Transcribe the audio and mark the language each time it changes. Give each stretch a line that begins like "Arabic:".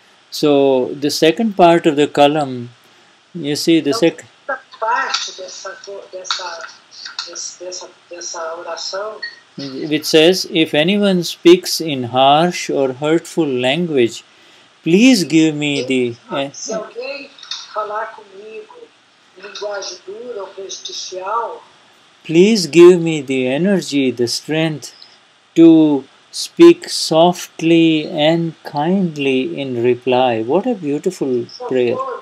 English: So, the second part of the Kalam, you see, the second
Portuguese: parte dessa oração,
English: which says, if anyone speaks in harsh or hurtful language, please give me the...
Portuguese: Se alguém falar comigo em linguagem dura ou prejudicial,
English: please give me the energy, the strength to speak softly and kindly in reply. What a beautiful prayer.